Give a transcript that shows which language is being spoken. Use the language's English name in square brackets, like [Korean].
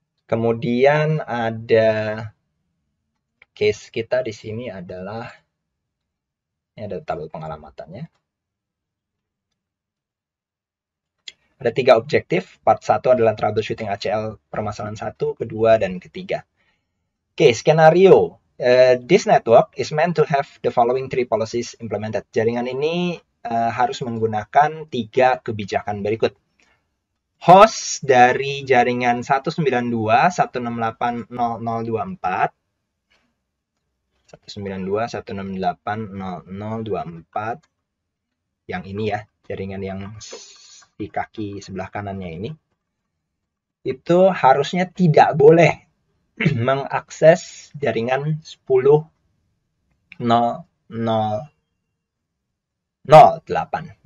[Indonesian] Kemudian ada case kita di sini adalah ini ada tabel pengalamatannya. Ada tiga objektif. Part 1 adalah troubleshooting ACL permasalahan 1, kedua, dan ketiga. Oke, skenario. [English] This network is meant to have the following three policies implemented. [Indonesian] Jaringan ini harus menggunakan tiga kebijakan berikut. Host dari jaringan 192.168.0.0.24 192.168.0.0.24 yang ini ya, jaringan yang di kaki sebelah kanannya ini, itu harusnya tidak boleh mengakses jaringan 10.0.0.0.8.